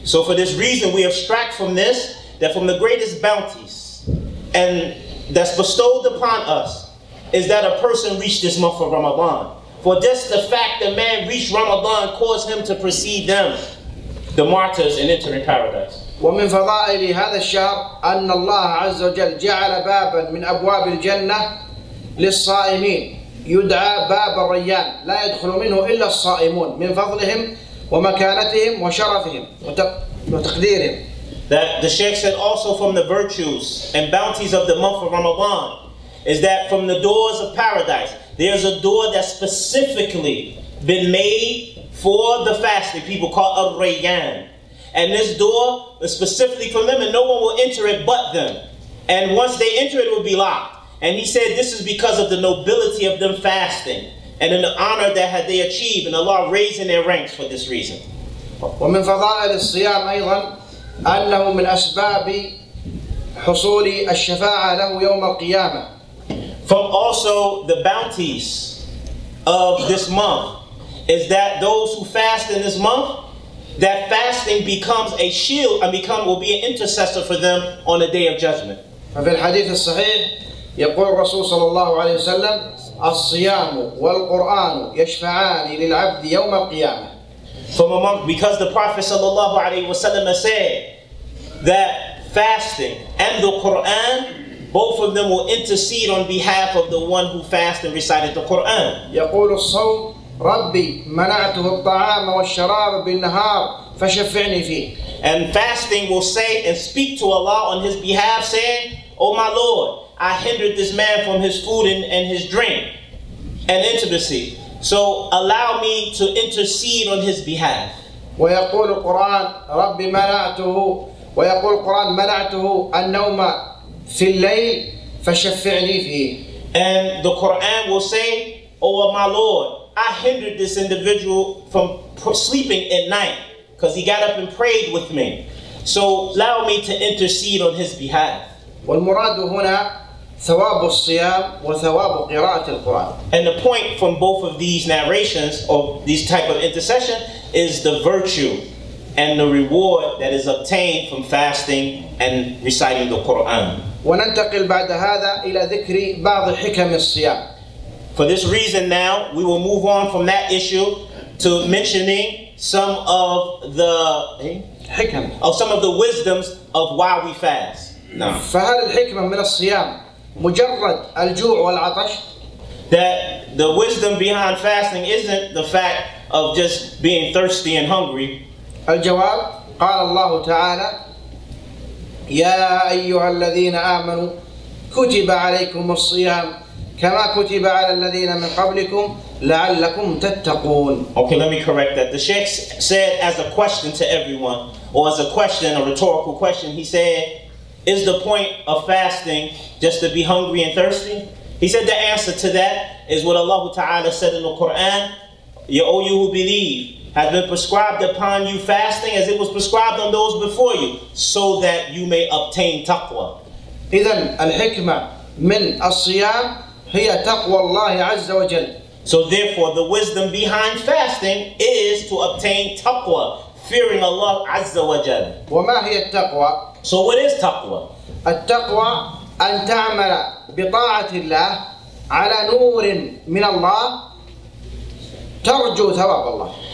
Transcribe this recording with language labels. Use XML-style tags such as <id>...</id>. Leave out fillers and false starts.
<en>So for this reason, we abstract from this, that from the greatest bounties and that's bestowed upon us is that a person reached this month of Ramadan. For just the fact that man reached Ramadan caused him to precede them, the martyrs, in entering paradise.</en> <ar>ومن فضائل هذا الشهر أن الله عز وجل جعل بابا من أبواب الجنة للصائمين يدعى باب الريان لا يدخل منه إلا الصائمون من فضلهم ومكانتهم وشرفهم وتقديرهم.</ar> <en>That the Shaykh said also from the virtues and bounties of the month of Ramadan is that from the doors of paradise, there's a door that's specifically been made for the fasting people called Ar-Rayyan. And this door is specifically for them and no one will enter it but them. And once they enter it, it will be locked. And he said this is because of the nobility of them fasting and in the honor that had they achieved and Allah raising their ranks for this reason.</en> <ar>ومن فضائل الصيام أيضا أنه من أسباب حصول الشفاعة له يوم القيامة.</ar> <en>From also the bounties of this month is that those who fast in this month, that fasting becomes a shield and become will be an intercessor for them on the day of judgment.</en> <ar>ففي الحديث الصحيح يقول الرسول صلى الله عليه وسلم الصيام والقرآن يشفعان للعبد يوم القيامة.</ar> <en>From among, because the Prophet sallallahu alaihi wasallam said that fasting and the Quran, both of them will intercede on behalf of the one who fasted and recited the Quran.</en> <ar>يقول الصوم ربي منعته الطعام والشراب بالنهار فشفعني فيه.</ar> <en>And fasting will say and speak to Allah on his behalf, saying, "Oh my Lord, I hindered this man from his food and his drink and intimacy. So allow me to intercede on his behalf."</en> <ar>ويقول القرآن ربي منعته ويقول القرآن منعته النوم في الليل فشفعني فيه.</ar> <en>And the Quran will say, "Oh my Lord, I hindered this individual from sleeping at night because he got up and prayed with me. So allow me to intercede on his behalf."</en> <ar>والمراد هنا ثواب الصيام وثواب قراءة القرآن.</ar> <en>And the point from both of these narrations of these type of intercession is the virtue and the reward that is obtained from fasting and reciting the Quran.</en> <ar>وننتقل بعد هذا إلى ذكر بعض حكم الصيام.</ar> <en>For this reason now, we will move on from that issue to mentioning some of the</en> <ar>حكم.</ar> <en>Of some of the wisdoms of why we fast. No.</en> <ar>فهل الحكمة من الصيام مجرد الجوع والعطش؟</ar> <en>That the wisdom behind fasting isn't the fact of just being thirsty and hungry.</en> <ar>الجواب قال الله تعالى يا أيها الذين آمنوا كتب عليكم الصيام كما كتب على الذين من قبلكم لعلكم تتقون.</ar> <en>Okay, let me correct that. The Sheikh said as a question to everyone, or as a question, a rhetorical question, he said, is the point of fasting just to be hungry and thirsty? He said the answer to that is what Allah Ta'ala said in the Quran, O you who believe, has been prescribed upon you fasting as it was prescribed on those before you, so that you may obtain taqwa.</en> <ar>إذن الحكمة من الصيام هي تقوى الله عز وجل.</ar> <en>So therefore the wisdom behind fasting is to obtain taqwa, fearing Allah</en> <ar>عز وجل. وما هي التقوى؟</ar> <en>So what is taqwa?</en> <ar>التقوى أن تعمل بطاعة الله على نور من الله ترجو ثواب الله.</ar>